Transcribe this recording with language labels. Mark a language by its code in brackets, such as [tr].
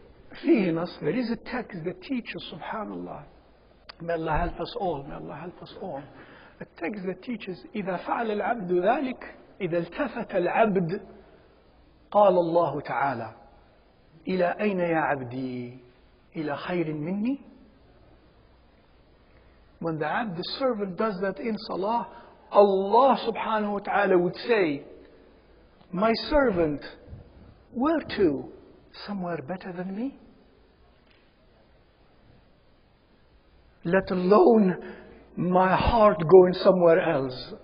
[en] Just like that. Feeling us, there is a text that teaches, subhanAllah, may Allah help us all, may Allah help us all. A text that teaches, [ar] إِذَا فَعْلَ الْعَبْدُ ذَلِكَ إِذَا الْتَفَتَ الْعَبْدُ قَالَ اللَّهُ تَعَالَى إِلَى أَيْنَ يَا عَبْدِي إِلَى خَيْرٍ مِنِّي. [en] When the abd, the servant, does that in salah, Allah subhanahu wa ta'ala would say, my servant, where to? Somewhere better than me? Let alone my heart going somewhere else.